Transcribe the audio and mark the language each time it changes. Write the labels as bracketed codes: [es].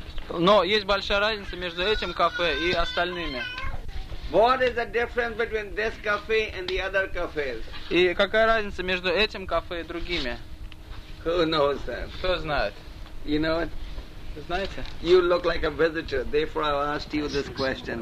[ru] Но есть большая разница между этим кафе и остальными. [en] What is the difference between this cafe and the other cafes? [ru] И какая разница между этим кафе и другими? [en] Who knows that? [ru] Кто знает? [en] You know what? [ru] Знаете? [en] You look like a visitor, therefore I asked you this question.